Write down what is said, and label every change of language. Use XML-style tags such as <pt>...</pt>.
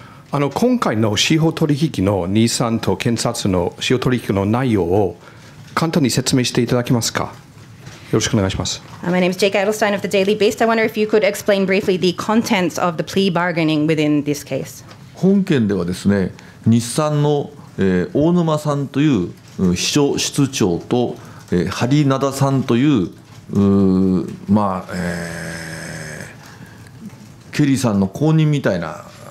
<ja>あの今回の司法取引の日産と検察の司法取引の内容を簡単に説明していただけますか。よろしくお願いします。</ja> <en>My name is Jake Adelstein of The Daily Beast. I wonder if you could explain briefly the contents of the plea bargaining within this case.</en> <ja>本件ではですね、日産の、大沼さんという、秘書室長とハリナダさんとい ケリーさんの後任みたいな、</ja>